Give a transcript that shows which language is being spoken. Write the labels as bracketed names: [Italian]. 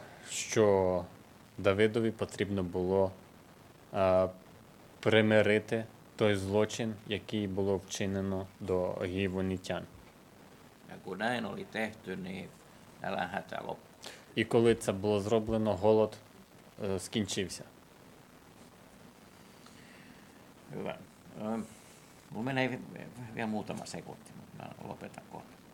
[Ukrainian] Що Давидові потрібно було примирити той злочин, який було вчинено до гівонітян. [Finnish] Ja kun näin oli tehty, niin nälänhätä loppui. [Ukrainian] І коли це було зроблено, голод скінчився. [Finnish] Hyvä. Mulla menee vielä muutama sekunti, mutta mä lopetan kohta.